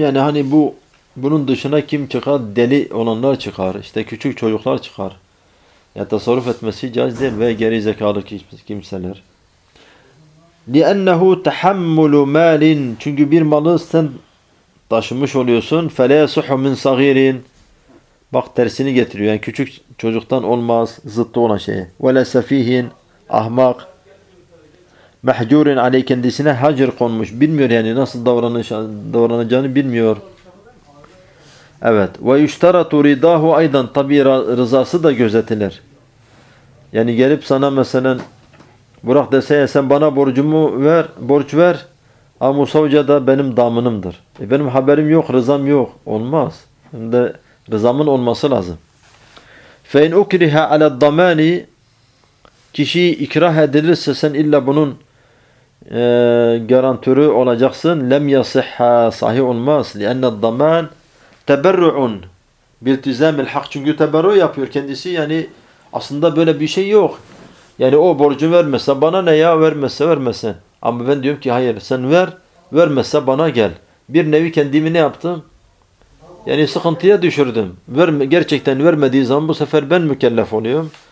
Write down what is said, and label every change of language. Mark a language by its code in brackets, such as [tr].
[tr] Yani hani bu, bunun dışına kim çıkar? Deli olanlar çıkar. İşte küçük çocuklar çıkar. Ya tasarruf etmesi caiz değil ve geri zekalı kimseler. [ar] لِأَنَّهُ تَحَمُّلُ مَالٍ [tr] Çünkü bir malı sen taşımış oluyorsun. [ar] فَلَا يَسُحُ مِنْ صَغِيرٍ [tr] Bak tersini getiriyor. Yani küçük çocuktan olmaz, zıttı olan şey. [ar] وَلَا سَف۪يهٍ [tr] Ahmak. [ar] مَحْجُورٍ عَلَيْهِ [tr] Kendisine hacır konmuş. Bilmiyor yani nasıl davranacağını bilmiyor. Evet. [ar] وَيُشْتَرَتُ رِضَاهُ اَيْضًا [tr] Tabi rızası da gözetilir. Yani gelip sana mesela Burak dese ya sen bana borcumu ver, borç ver. Ama Musa Hoca da benim damınımdır. Benim haberim yok, rızam yok. Olmaz. Hem de rızamın olması lazım. [ar] فَاِنْ اُكْرِهَا عَلَى الدَّمَانِ [tr] Kişi ikrah edilirse sen illa bunun garantörü olacaksın. [ar] لَمْ يَصِحَا [tr] Sahih olmaz. [ar] لِأَنَّ الدَّمَانِ تَبَرُّعُنْ بِالْتِزَامِ الْحَقِّ [tr] Çünkü teberru yapıyor kendisi. Yani aslında böyle bir şey yok. Yani o borcu vermezse bana ne ya, vermezse vermesin. Ama ben diyorum ki hayır, sen ver, vermezse bana gel. Bir nevi kendimi ne yaptım? Yani sıkıntıya düşürdüm. Gerçekten vermediği zaman bu sefer ben mükellef oluyorum.